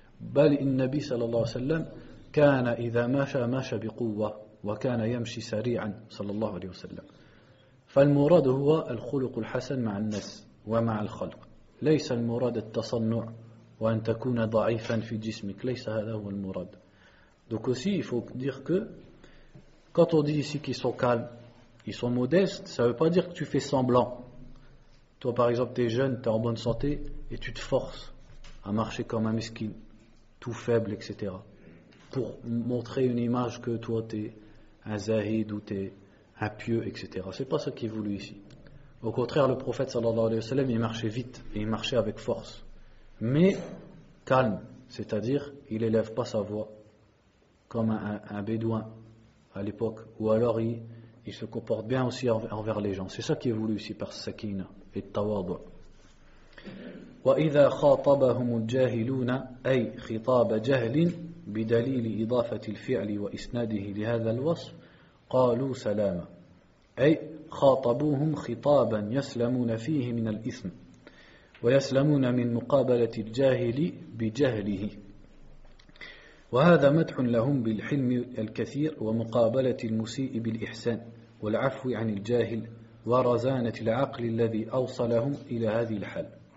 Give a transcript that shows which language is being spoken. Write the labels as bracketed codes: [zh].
[ar] بل النبي صلى الله عليه وسلم كان إذا مشى مشى بقوة وكان يمشي سريعا صلى الله عليه وسلم. فالمراد هو الخلق الحسن مع الناس ومع الخلق، ليس المراد التصنع وأن تكون ضعيفا في جسمك، ليس هذا هو المراد. [fr] Donc aussi il faut dire que quand on dit ici qu'ils sont calmes, ils sont modestes, ça ne veut pas dire que tu fais semblant. Toi par exemple tu es jeune, tu es en bonne santé et tu te forces à marcher comme un mesquin, tout faible, etc. Pour montrer une image que toi, tu es un zahid ou tu es un pieux, etc. C'est pas ça qui est voulu ici. Au contraire, le prophète, [ar] sallallahu alayhi wa sallam, [fr] il marchait vite et il marchait avec force. Mais calme, c'est-à-dire, il élève pas sa voix comme un bédouin à l'époque. Ou alors, il se comporte bien aussi envers les gens. C'est ça qui est voulu ici par sakina et tawadu. [ar] وَإِذَا خَاطَبَهُمُ الْجَاهِلُونَ أي خِطَابَ جَهْلٍ بِدَلِيلِ إِضَافَةِ الْفِعْلِ وَإِسْنَادِهِ لِهَذَا الْوَصْفِ قَالُوا سَلَامًا أي خَاطَبُوهُمْ خِطَابًا يَسْلَمُونَ فِيهِ مِنَ الْإِثْمِ وَيَسْلَمُونَ مِنْ مُقَابَلَةِ الْجَاهِلِ بِجَهْلِهِ وهذا مدح لهم بالحلم الكثير ومقابلة المسيء بالإحسان والعفو عن الجاهل ورزانة العقل الذي أوصلهم إلى هذه الحال.